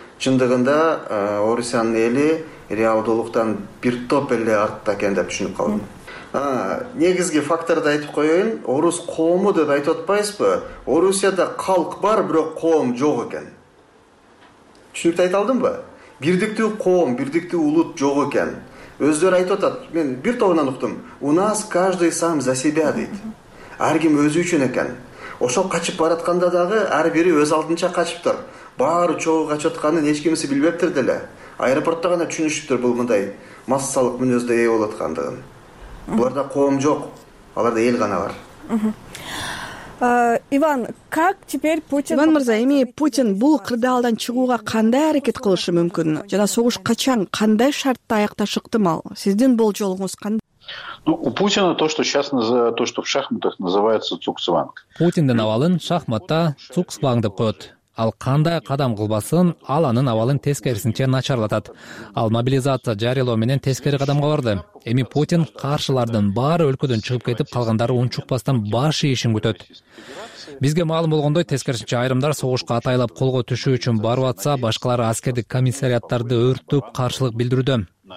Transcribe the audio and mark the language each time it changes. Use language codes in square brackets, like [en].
[ky] Чындыгында Орусиянын эли реалдуулуктан бир топ эле артта экен деп түшүнүп калдым. Негизги факторду айтып коеюн, орус коому деп айтып атпайсызбы? Орусияда калк бар, бирок коом жок экен. Түшүнүктү айта алдымбы? Бирдиктүү коом, бирдиктүү улут жок экен. Өздөрү айтып атат, мен бир тобунан уктум. [ru] У нас каждый сам за себя дейт. [ky] Ар ким өзү үчүн экен. Ошо качып баратканда дагы ар бири өз алдынча качыптыр. Баары чогуу качатканын эч кимиси билбептир деле. Аэропортто гана түшүнүшүптүр бул мындай массалык мүнөздө ээ болуп аткандыгын. Буларда коом жок, аларда эл гана бар. [ru] Иван, как теперь Путин... [ky] Иван мырза, эми Путин бул кырдаалдан чыгууга кандай аракет кылышы мүмкүн? Жана согуш качан, кандай шартта аякташы ыктымал? Сиздин болжолуңуз кандай? [ru] Ну, у Путина то, что сейчас называют, то, что в шахматах называется цугцванг. [ky] Путиндин абалын шахматта цугцванг деп коёт. Ал кандай кадам кылбасын, ал анын абалын тескерисинче начарлатат. Ал мобилизация жарыялоо менен тескери кадамга барды. Эми Путин каршылардын баары өлкөдөн чыгып кетип, калгандары унчукпастан баш ийишин күтөт. Бизге маалым болгондой, тескерисинче айрымдар согушка атайлап колго түшүү үчүн барып атса, башкалары аскердик комиссариаттарды өрттөп каршылык билдирүүдө.